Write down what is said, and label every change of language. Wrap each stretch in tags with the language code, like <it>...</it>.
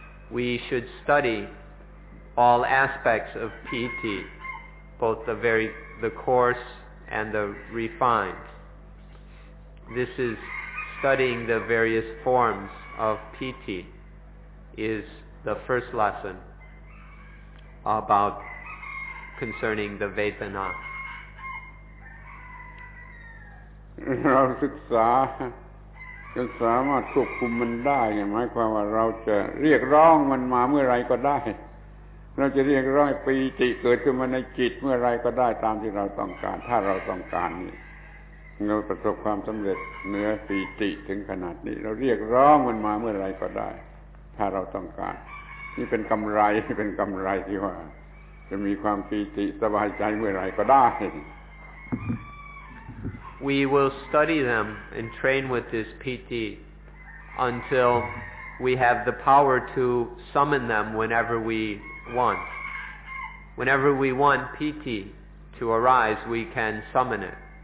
<en>We should study all aspects of piti, both the coarse and the refined. This is studying the various forms of piti is the first lesson about concerning the Vedana.</en> <th>เราศึกษาจนสามารถควบคุมมันได้หมายความว่าเราจะเรียกร้องมันมาเมื่อไรก็ได้เราจะเรียกร้องปีติเกิดขึ้นมาในจิตเมื่อไรก็ได้ตามที่เราต้องการถ้าเราต้องการนี่เราประสบความสำเร็จเหนือปีติถึงขนาดนี้เราเรียกร้องมันมาเมื่อไรก็ได้ถ้าเราต้องการนี่เป็นกำไรที่ว่าจะมีความปีติสบายใจเมื่อไรก็ได้</th> <en>We will study them and train with this piti until we have the power to summon them whenever we want. Whenever we want piti to arise, we can summon it.</en>